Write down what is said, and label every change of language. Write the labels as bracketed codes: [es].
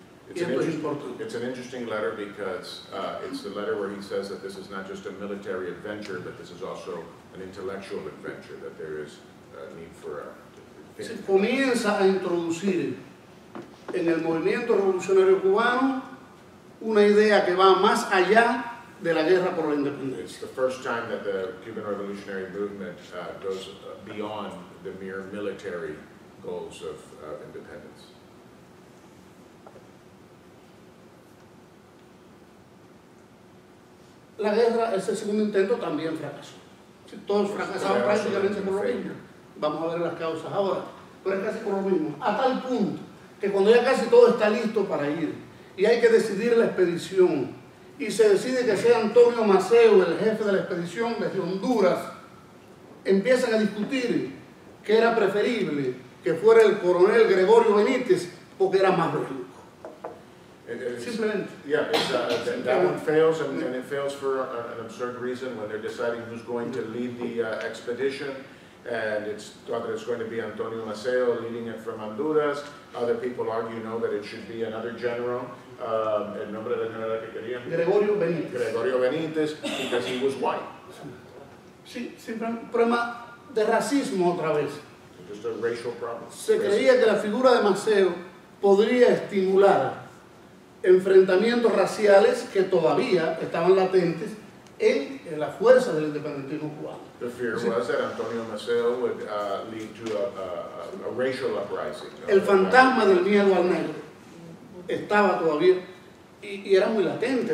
[en] It's an interesting letter because it's the letter where he says that this is not just a military adventure, but this is also an intellectual adventure, that there is a need for a... [es] Se comienza a introducir en el movimiento revolucionario cubano una idea que va más allá de la guerra por la independencia. [en] It's the first time that the Cuban revolutionary movement goes beyond the mere military goals of independence. [es] La guerra, ese segundo intento, también fracasó. Todos fracasaron prácticamente por lo mismo. Vamos a ver las causas ahora. Pero es casi por lo mismo. A tal punto que cuando ya casi todo está listo para ir y hay que decidir la expedición y se decide que sea Antonio Maceo el jefe de la expedición desde Honduras, empiezan a discutir que era preferible que fuera el coronel Gregorio Benítez porque era más rico. [en] It fails for an absurd reason when they're deciding who's going to lead the expedition, and it's thought that it's going to be Antonio Maceo leading it from Honduras. Other people argue, no, that it should be another general, [es] el nombre del general que querían. [en] Gregorio Benítez, because he was white. [es] Sí, siempre un problema de racismo otra vez. [en] Just a racial problem. [es] Se creía que la figura de Maceo podría estimular enfrentamientos raciales que todavía estaban latentes en la fuerza del independentismo cubano. [en] The fear was that Antonio Maceo would lead to a racial uprising. [es] El fantasma del miedo al negro estaba todavía y era muy latente.